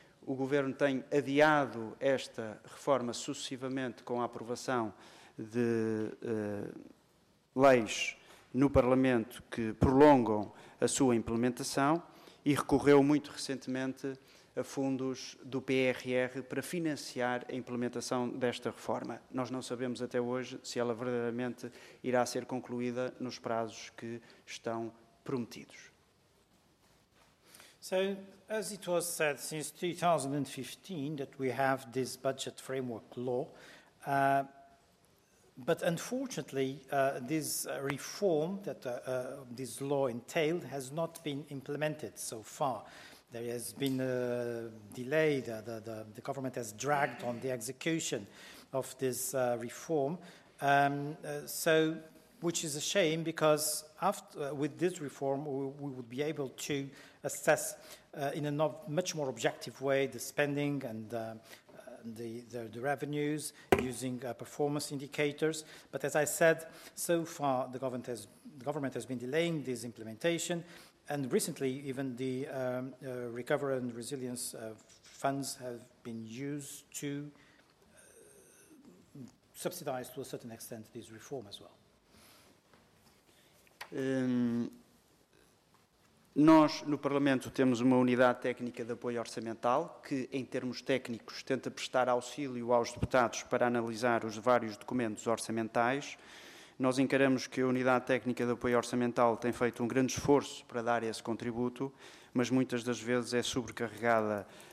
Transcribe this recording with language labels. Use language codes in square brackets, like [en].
[pt] O Governo tem adiado esta reforma sucessivamente com a aprovação de leis no Parlamento que prolongam a sua implementação e recorreu muito recentemente a fundos do PRR para financiar a implementação desta reforma. Nós não sabemos até hoje se ela verdadeiramente irá ser concluída nos prazos que estão prometidos. [en] So, as it was said, since 2015 that we have this budget framework law, but unfortunately this reform that this law entailed has not been implemented so far. There has been a delay, the government has dragged on the execution of this reform, so which is a shame because after, with this reform we would be able to assess in a much more objective way the spending and the revenues using performance indicators. But as I said, so far the government has been delaying this implementation, and recently even the recovery and resilience funds have been used to subsidize to a certain extent this reform as well. [pt] Nós, no Parlamento, temos uma unidade técnica de apoio orçamental que, em termos técnicos, tenta prestar auxílio aos deputados para analisar os vários documentos orçamentais. Nós encaramos que a unidade técnica de apoio orçamental tem feito um grande esforço para dar esse contributo, mas muitas das vezes é sobrecarregada